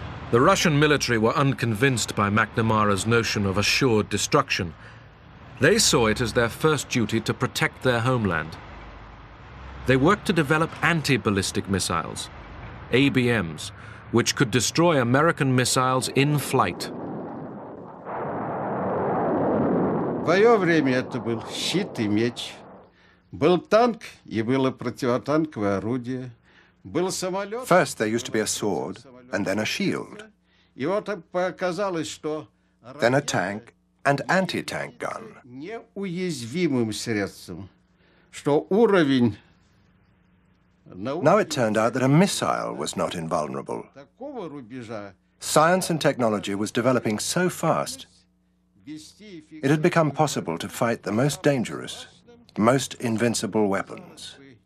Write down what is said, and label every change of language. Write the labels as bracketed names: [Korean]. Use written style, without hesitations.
[English] The Russian military were unconvinced by McNamara's notion of assured destruction. They saw it as their first duty to protect their homeland. They worked to develop anti-ballistic missiles, ABMs, which could destroy American missiles in flight. [Russian] Твоё время это был щит и меч. Был танк и было противотанковое орудие. Был самолёт. [English] First there used to be a sword and then a shield. [Russian] И вот показалось, что [English] then a tank and anti-tank gun. [Russian] Неуязвимым средством, что уровень. [English] Now it turned out that a missile was not invulnerable. Science and technology was developing so fast, it had become possible to fight the most dangerous, most invincible weapons.